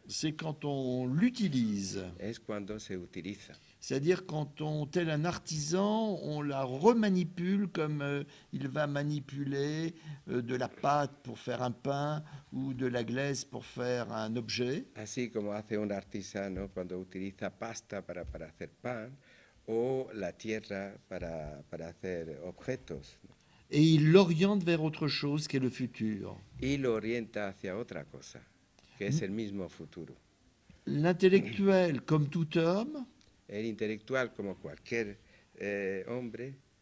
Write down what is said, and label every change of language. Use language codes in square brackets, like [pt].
[fr] C'est quand on l'utilise. [es] Es cuando se utiliza. [fr] C'est-à-dire quand on, tel un artisan, on la remanipule comme il va manipuler de la pâte pour faire un pain ou de la glaise pour faire un objet. [es] Así como hace un artesano cuando utiliza pasta para hacer pan o la tierra para hacer objetos. [fr] Et il l'oriente vers autre chose qui est le futur. [es] Y lo orienta hacia otra cosa, que es el mismo futuro. [fr] L'intellectuel, comme tout homme, [es] el intelectual como cualquier hombre